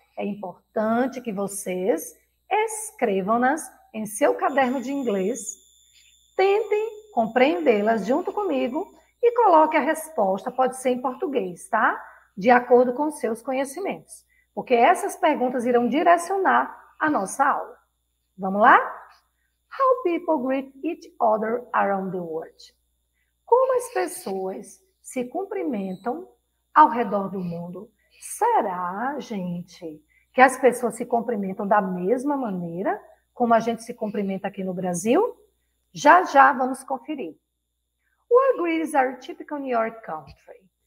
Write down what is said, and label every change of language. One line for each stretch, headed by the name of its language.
Portuguese: É importante que vocês escrevam-nas em seu caderno de inglês. Tentem compreendê-las junto comigo e coloque a resposta, pode ser em português, tá? De acordo com seus conhecimentos. Porque essas perguntas irão direcionar a nossa aula. Vamos lá?
English: How people greet each other around the world?
Portuguese: Como as pessoas se cumprimentam ao redor do mundo? Será, gente, que as pessoas se cumprimentam da mesma maneira como a gente se cumprimenta aqui no Brasil? Já já vamos conferir.
English: What greetings are typical in your country?